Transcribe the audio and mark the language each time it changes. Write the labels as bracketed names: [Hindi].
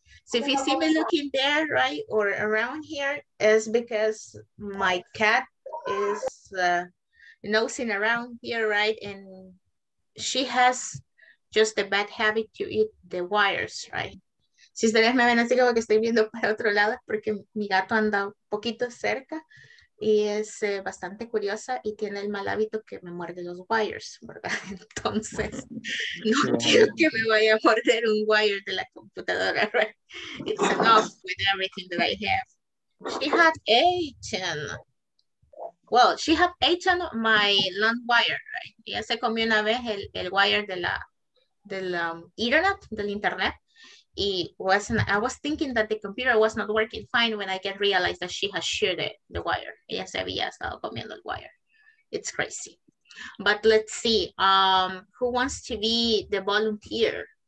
[English] So if you see me looking there, right, or around here, it's because my cat is nosing around here, right? And she has just a bad habit to eat the wires, right? [Spanish] Si ustedes me ven así como que estoy viendo para otro lado, porque mi gato anda un poquito cerca y es bastante curiosa y tiene el mal hábito que me muerde los wires, ¿verdad? Entonces, no quiero que me vaya a morder un wire de la computadora, ¿verdad? [English] It's enough with everything that I have. She had eaten. Well, she had eaten my land wire, [Spanish] ¿verdad? Ella se comió una vez el wire del internet. [English] I was thinking that the computer was not working fine when I can realize that she has sheared the wire. [Spanish] Ella se había estado comiendo el wire. [English] It's crazy. But let's see. Who wants to be the volunteer?